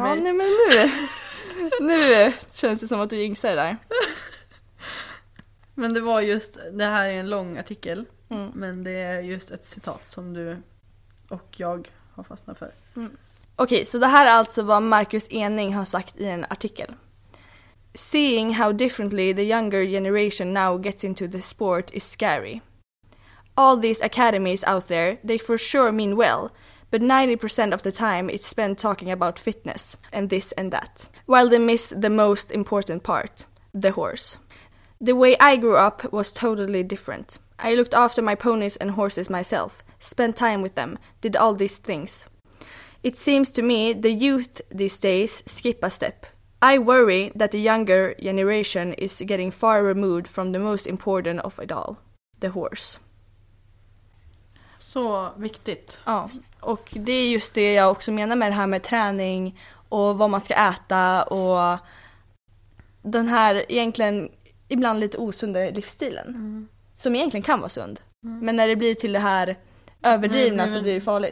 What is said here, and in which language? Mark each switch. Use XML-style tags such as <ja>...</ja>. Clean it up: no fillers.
<sv>mig. Nej, men nu känns det som att du jinxar det där. Men det var just, det här är en lång artikel. Men det är just ett citat som du och jag har fastnat för. Okej, så det här är alltså vad Marcus Ening har sagt i en artikel.</sv> <en>Seeing how differently the younger generation now gets into the sport is scary. All these academies out there, they for sure mean well, but 90% of the time it's spent talking about fitness and this and that, while they miss the most important part, the horse. The way I grew up was totally different. I looked after my ponies and horses myself, spent time with them, did all these things. It seems to me the youth these days skip a step. I worry that the younger generation is getting far removed from the most important of it all, the horse.</en> <sv>Så viktigt. Ja, och det är just det jag också menar med det här med träning och vad man ska äta och den här egentligen ibland lite osunda livsstilen. Mm. Som egentligen kan vara sund. Mm. Men när det blir till det här överdrivna så blir det farligt.</sv>